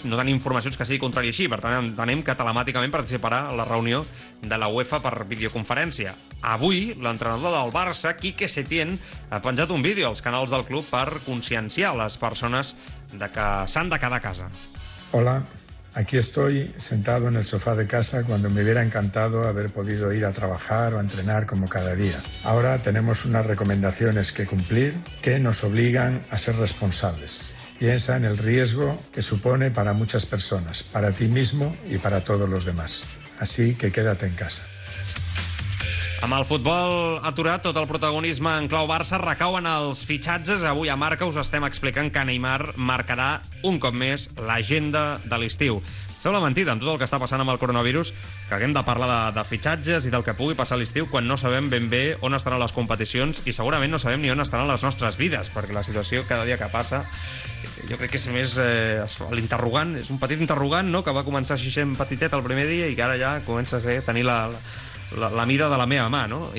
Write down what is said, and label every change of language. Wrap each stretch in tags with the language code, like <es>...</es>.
<ca>No tenim informacions que sigui contrari així. Per tant, entenem que telemàticament participarà a la reunió de la UEFA per videoconferència. Avui, l'entrenador del Barça, Quique Setién, ha penjat un vídeo als canals del club per conscienciar les persones de que s'han de quedar a casa.</ca> <es>Hola. Aquí estoy sentado en el sofá de casa cuando me hubiera encantado haber podido ir a trabajar o a entrenar como cada día. Ahora tenemos unas recomendaciones que cumplir que nos obligan a ser responsables. Piensa en el riesgo que supone para muchas personas, para ti mismo y para todos los demás. Así que quédate en casa.</es> <ca>Amb el futbol aturat, tot el protagonisme en clau Barça recau en els fitxatges. Avui a Marca us estem explicant que Neymar marcarà un cop més l'agenda de l'estiu. Sembla mentida, en tot el que està passant amb el coronavirus, que haguem de parlar de fitxatges i del que pugui passar l'estiu quan no sabem ben bé on estaran les competicions i segurament no sabem ni on estaran les nostres vides, perquè la situació cada dia que passa, jo crec que és més l'interrogant, és un petit interrogant, no?, que va començar així sent petitet el primer dia i que ara ja comença a ser, tenir la mira de la meva mà, no?</ca>